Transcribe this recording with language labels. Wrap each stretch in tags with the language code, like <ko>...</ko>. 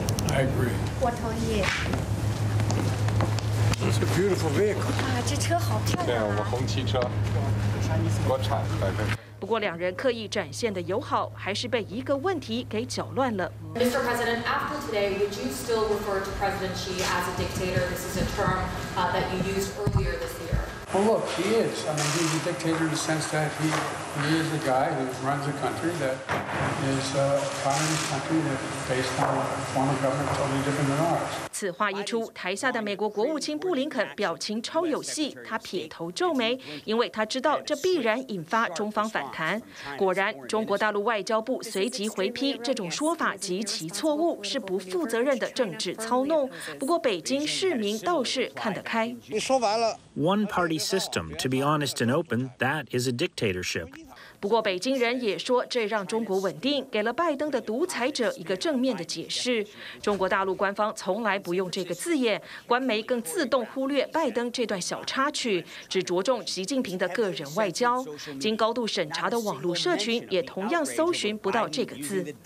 <en>I agree.</en> <zh>我同意。</zh> <en>It's a beautiful vehicle.</en> <zh>啊，这车好漂亮啊！对，我们红旗车，国产的。不过，两人刻意展现的友好，还是被一个问题给搅乱了。</zh> <en>Mr. President, after today, would you still refer to President Xi as a dictator? This is a term that you used earlier this year. Well, look, he is. I mean, he's a dictator in the sense that he is a guy who runs a country that is a communist country that is based on a form of government totally different than ours.</en> <zh>此话一出，台下的美国国务卿布林肯表情超有戏，他撇头皱眉，因为他知道这必然引发中方反弹。果然，中国大陆外交部随即回批这种说法极其错误，是不负责任的政治操弄。不过，北京市民倒是看得开。你说完了。</zh> <en>One party system, to be honest and open, that is a dictatorship.</en> <zh>不过，北京人也说，这让中国稳定，给了拜登的独裁者一个正面的解释。中国大陆官方从来不用这个字眼，官媒更自动忽略拜登这段小插曲，只着重习近平的个人外交。经高度审查的网络社群也同样搜寻不到这个字。</zh>